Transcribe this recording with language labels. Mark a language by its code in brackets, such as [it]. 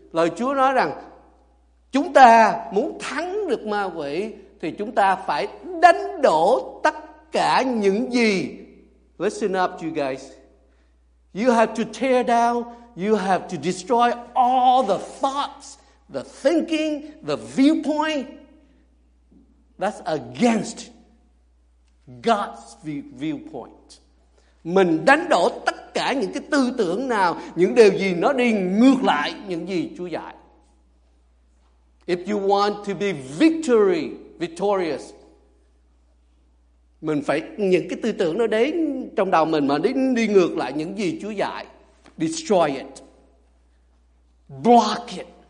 [vi] Lời Chúa nói rằng chúng ta muốn thắng được ma quỷ thì chúng ta phải đánh đổ tất cả những gì. [en] Listen up, you guys. You have to tear down, you have to destroy all the thoughts, the thinking, the viewpoint that's against God's viewpoint. [vi] Mình đánh đổ tất cả những cái tư tưởng nào, những điều gì nó đi ngược lại những gì Chúa dạy. [en] If you want to be victorious, [vi] mình phải những cái tư tưởng nó đến trong đầu mình mà đi ngược lại những gì Chúa dạy. [en] Destroy it. Block it.